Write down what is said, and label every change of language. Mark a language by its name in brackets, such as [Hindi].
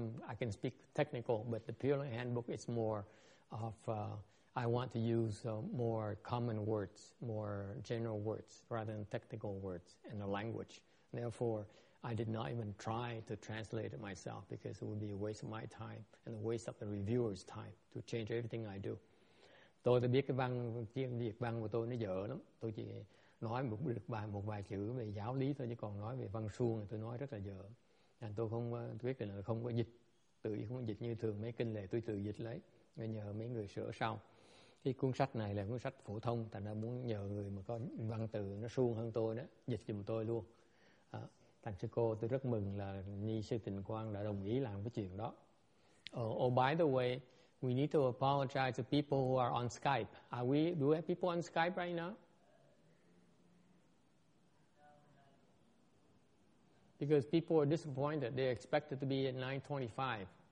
[English] I can speak technical, but the Pure Land Handbook is more of I want to use more common words, more general words, rather than technical words in the language. Therefore, I did not even try to translate it myself because it would be a waste of my time and a waste of the reviewer's time to change everything I do. [Vietnamese] Tôi đã biết cái văn tiếng Việt văn của tôi nó dở lắm. Tôi chỉ nói một vài chữ về giáo lý thôi, chứ còn nói về văn xuông thì tôi nói rất là dở. Nên tôi không quyết định là không có dịch, tự không có dịch như thường mấy kinh lệ tôi tự dịch lấy. Nên nhờ mấy người sửa sau. Cái cuốn sách này là cuốn sách phổ thông, thành ra muốn nhờ người mà có văn từ nó suông hơn tôi đó dịch giùm tôi luôn. Thành sư cô, tôi rất mừng là Ni sư Tịnh Quang đã đồng ý làm cái chuyện đó. [English] Oh, by the way, we need to apologize to people who are on Skype. Do we have people on Skype right now? Because people are disappointed. They expected to be at 9:25.